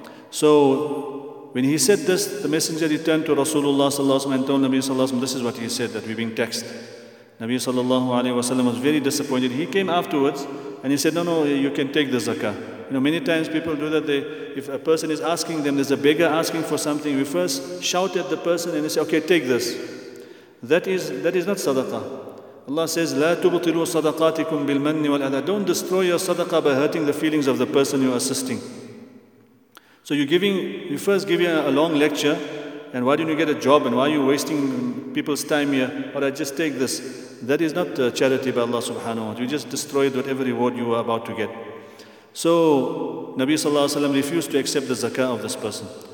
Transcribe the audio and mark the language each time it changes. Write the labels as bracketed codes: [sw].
[en] So when he said this, the messenger returned to Rasulullah sallallahu alayhi wa sallam and told Nabi sallallahu alayhi wa sallam, this is what he said, that we're being taxed. Nabi sallallahu alayhi wa sallam was very disappointed. He came afterwards and he said, no, you can take the zakah. You know, many times people do that. If a person is asking them, there's a beggar asking for something, we first shout at the person and they say, okay, take this. That is not sadaqah. Allah says, [ar] لَا تُبْطِلُوا صَدَقَاتِكُمْ بِالْمَنِّ وَالْأَذَى. [en] Don't destroy your sadaqah by hurting the feelings of the person you're assisting. So you first give a long lecture, and why didn't you get a job, and why are you wasting people's time here? Or I just take this. That is not charity by Allah subhanahu wa ta'ala. You just destroyed whatever reward you were about to get. So Nabi sallallahu alayhi wa sallam refused to accept the zakah of this person.